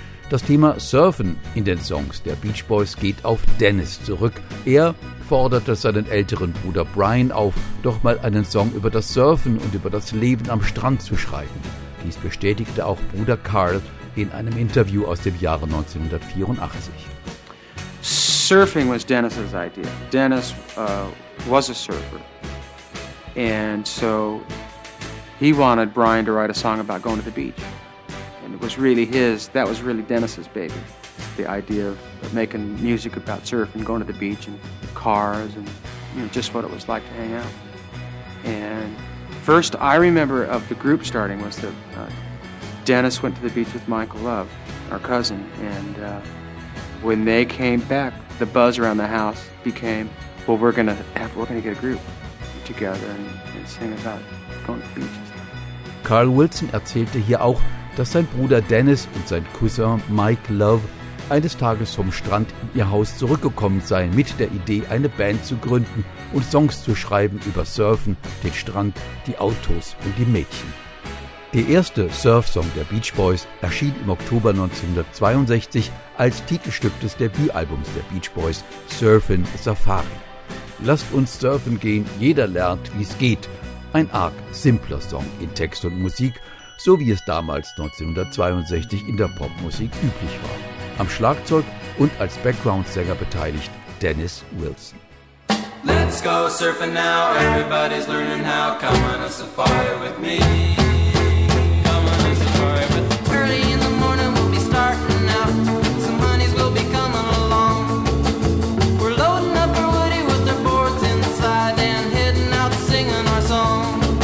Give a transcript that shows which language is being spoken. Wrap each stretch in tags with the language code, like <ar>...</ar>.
<de>Das Thema Surfen in den Songs der Beach Boys geht auf Dennis zurück. Er forderte seinen älteren Bruder Brian auf, doch mal einen Song über das Surfen und über das Leben am Strand zu schreiben. Dies bestätigte auch Bruder Carl in einem Interview aus dem Jahre 1984.</de> <en>Surfing was Dennis's idea. Dennis was a surfer. And so he wanted Brian to write a song about going to the beach. And it was really his, that was really Dennis's baby. The idea of making music about surfing, going to the beach and cars and, you know, just what it was like to hang out. And first I remember of the group starting was that Dennis went to the beach with Michael Love, our cousin, and when they came back, the buzz around the house became, well, we're gonna get a group together and sing about going to the beach.</en> <de>Carl Wilson erzählte hier auch, dass sein Bruder Dennis und sein Cousin Mike Love eines Tages vom Strand in ihr Haus zurückgekommen seien mit der Idee, eine Band zu gründen und Songs zu schreiben über Surfen, den Strand, die Autos und die Mädchen. Der erste Surfsong der Beach Boys erschien im Oktober 1962 als Titelstück des Debütalbums der Beach Boys, Surfin' Safari. Lasst uns surfen gehen, jeder lernt, wie es geht. Ein arg simpler Song in Text und Musik, so wie es damals 1962 in der Popmusik üblich war. Am Schlagzeug und als Background-Sänger beteiligt Dennis Wilson.</de> <en>Let's go surfing now, everybody's learning how. Come on a safari with me. Come on a safari with me. Early in the morning we'll be starting out. Some honeys will be coming along. We're loading up our woody with our boards inside and heading out singing our song.</en>